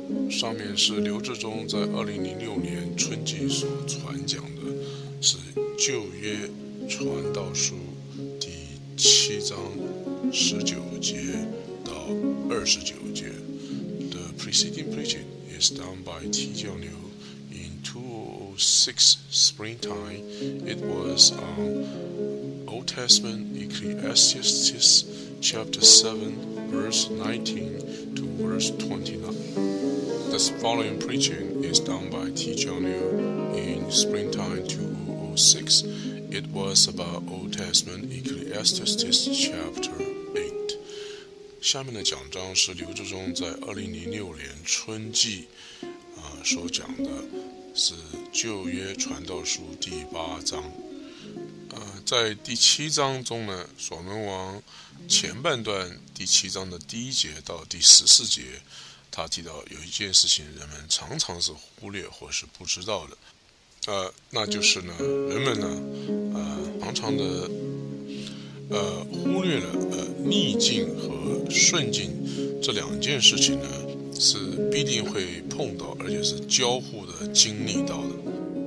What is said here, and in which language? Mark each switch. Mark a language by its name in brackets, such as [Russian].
[Chinese] 上面是刘志忠在2006年春季所传讲的，是旧约传道书第七章19节到29节。 [English] The preceding preaching is done by Tze-John Liu in 206 springtime. It was on Old Testament Ecclesiastes chapter 7 verse 19 to verse 29. This following preaching is done by Tze-John Liu in springtime 2006. It was about Old Testament Ecclesiastes chapter 8. [Chinese] 下面的讲章是刘志忠在2006年春季所讲的，是旧约传道书第八章。在第七章中呢，所罗门王前半段第七章的第一节到第十四节，他提到有一件事情人们常常是忽略或是不知道的，那就是呢，人们呢，常常的，忽略了逆境和顺境这两件事情呢，是必定会碰到，而且是交互的经历到的。